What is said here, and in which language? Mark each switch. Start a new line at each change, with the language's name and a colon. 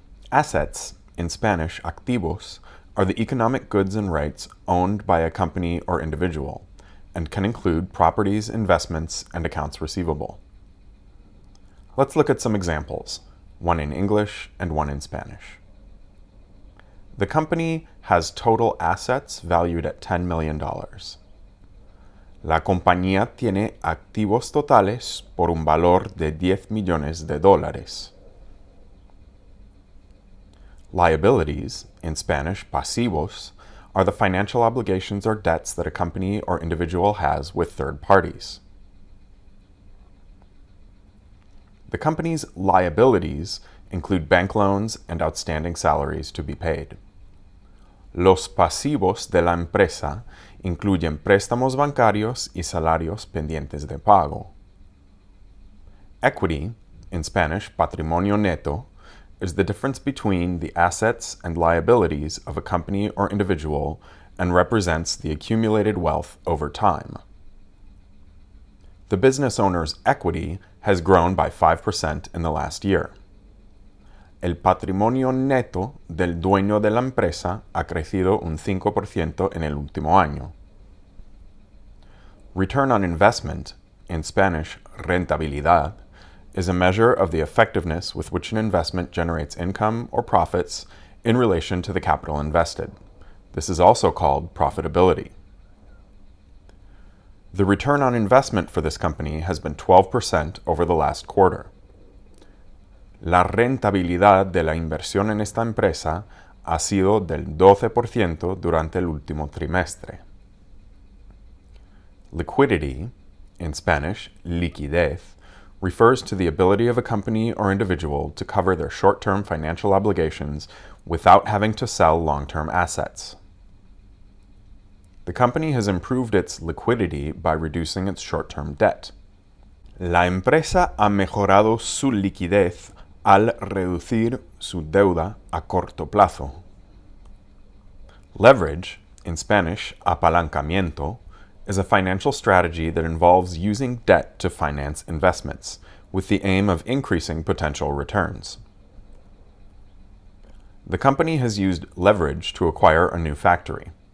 English: Assets, in Spanish, activos, are the economic goods and rights owned by a company or individual, and can include properties, investments, and accounts receivable. Let's look at some examples, one in English and one in Spanish. The company has total assets valued at $10 million.
Spanish: La compañía tiene activos totales por un valor de 10 millones de dólares.
English: Liabilities, in Spanish, pasivos, are the financial obligations or debts that a company or individual has with third parties. The company's liabilities include bank loans and outstanding salaries to be paid.
Spanish: Los pasivos de la empresa incluyen préstamos bancarios y salarios pendientes de pago.
English: Equity, in Spanish, patrimonio neto, is the difference between the assets and liabilities of a company or individual and represents the accumulated wealth over time. The business owner's equity has grown by 5% in the last year.
Spanish: El patrimonio neto del dueño de la empresa ha crecido un 5% en el último año.
English: Return on investment, in Spanish, rentabilidad, is a measure of the effectiveness with which an investment generates income or profits in relation to the capital invested. This is also called profitability. The return on investment for this company has been 12% over the last quarter.
Spanish: La rentabilidad de la inversión en esta empresa ha sido del 12% durante el último trimestre.
English: Liquidity, in Spanish, liquidez, refers to the ability of a company or individual to cover their short-term financial obligations without having to sell long-term assets. The company has improved its liquidity by reducing its short-term debt.
Spanish: La empresa ha mejorado su liquidez al reducir su deuda a corto plazo.
English: Leverage, in Spanish, apalancamiento, is a financial strategy that involves using debt to finance investments, with the aim of increasing potential returns. The company has used leverage to acquire a new factory.